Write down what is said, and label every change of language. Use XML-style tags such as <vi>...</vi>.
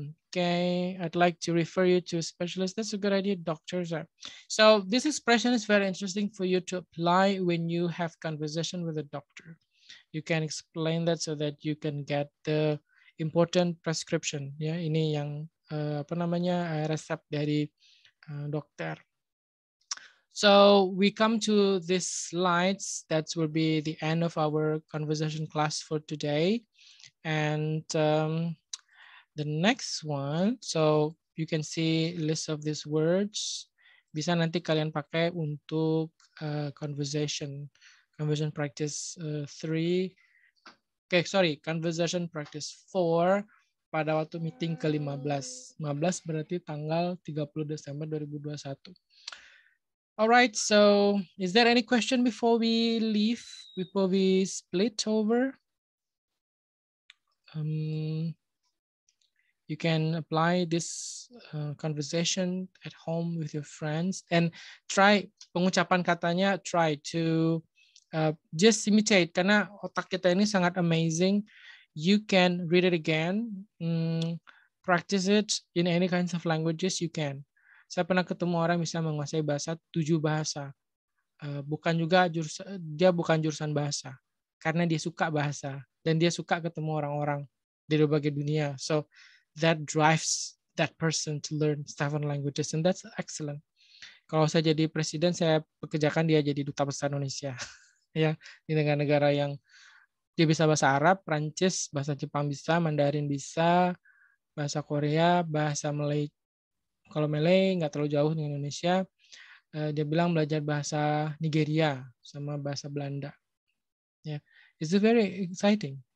<en>Okay, I'd like to refer you to a specialist. That's a good idea, doctors. So this expression is very interesting for you to apply when you have conversation with a doctor. You can explain that so that you can get the important prescription.</en> <id>Ya, ini yang apa namanya resep dari dokter.</id> <en>So we come to this slides. That will be the end of our conversation class for today. And the next one, so you can see list of these words.</en> <id>Bisa nanti kalian pakai untuk conversation practice 3.</id> <en>Okay, sorry, conversation practice 4</en> <id>pada waktu meeting ke-15. 15 berarti tanggal 30 Desember 2021.</id> <en>All right, so is there any question before we leave, before we split over? You can apply this conversation at home with your friends and try</en> <id>pengucapan katanya,</id> <en>try to just imitate,</en> <id>karena otak kita ini sangat</id> <en>amazing. You can read it again, practice it in any kinds of languages you can.</en> <id>Saya pernah ketemu orang bisa menguasai bahasa 7 bahasa. Bukan juga bukan jurusan bahasa karena dia suka bahasa dan dia suka ketemu orang-orang di berbagai dunia.</id> <en>So that drives that person to learn 7 languages, and that's excellent.</en> <id>Kalau saya jadi presiden, saya pekerjakan dia jadi duta besar Indonesia, ya, di negara-negara yang dia bisa bahasa Arab, Prancis, bahasa Jepang bisa, Mandarin bisa, bahasa Korea, bahasa Malay. Kalau Malay nggak terlalu jauh dengan Indonesia, dia bilang belajar bahasa Nigeria sama bahasa Belanda. Ya, yeah.</id> <en>It's very exciting.</en>